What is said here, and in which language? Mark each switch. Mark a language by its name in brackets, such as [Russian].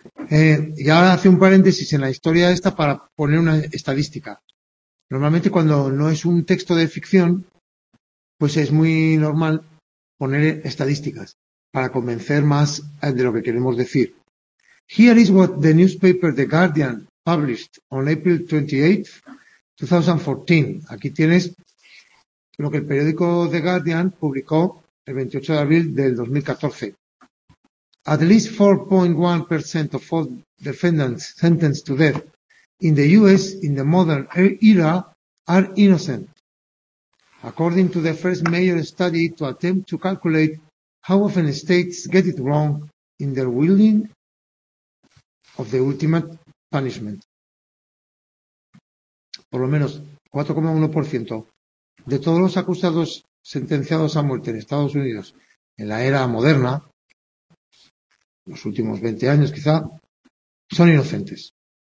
[Spanish] Y ahora hace un paréntesis en la historia esta para poner una estadística. Normalmente cuando no es un texto de ficción, pues es muy normal poner estadísticas para convencer más de lo que queremos decir. [English] Here is what the newspaper The Guardian published on April 28, 2014. [Spanish] Aquí tienes lo que el periódico The Guardian publicó el 28 de abril del 2014. [English] At least 4.1% of all defendants sentenced to death in the U.S. in the modern era are innocent, according to the first major study to attempt to calculate how often states get it wrong in their wielding of the ultimate punishment. [Spanish] Por lo menos 4.1% de todos los acusados sentenciados a muerte en Estados Unidos en la era moderna, los últimos 20 años quizá, son inocentes.